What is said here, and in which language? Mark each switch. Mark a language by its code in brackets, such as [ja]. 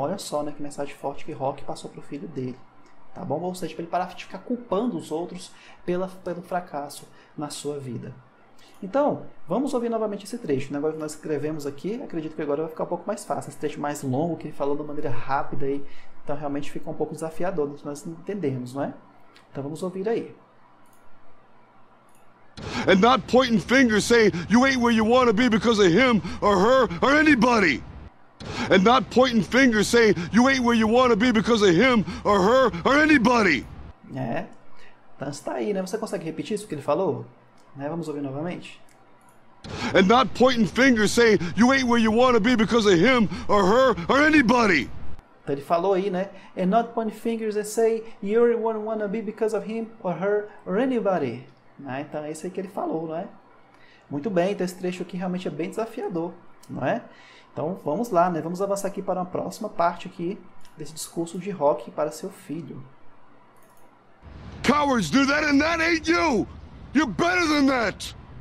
[pt] Olha só, né? Que mensagem forte que Rock passou pro filho dele. Tá bom? Ou seja, para ele parar de ficar culpando os outros pelo fracasso na sua vida. Então, vamos ouvir novamente esse trecho. Né? Agora que nós escrevemos aqui, acredito que agora vai ficar um pouco mais fácil. Esse trecho mais longo, que ele falou de maneira rápida aí, então realmente fica um pouco desafiador, nós entendemos, não é? Então vamos ouvir aí. [en] And not pointing fingers saying you ain't where you want to be because of him or her or anybody. And not pointing fingers saying you ain't where you want to be because of him or her or anybody. [pt] É, então está aí, né? Você consegue repetir isso que ele falou? Né? Vamos ouvir novamente. And not pointing fingers saying you ain't where you want to be because of him or her or anybody. Então ele falou aí, né? [en] And not pointing fingers and say you won't want to be because of him or her or anybody. [pt] Né? Então é isso aí que ele falou, não é? Muito bem, então esse trecho aqui realmente é bem desafiador, não é? Então vamos lá, né? Vamos avançar aqui para uma próxima parte aqui desse discurso de Rocky para seu filho. [en] Cowards do that and that ain't you! You're better than that!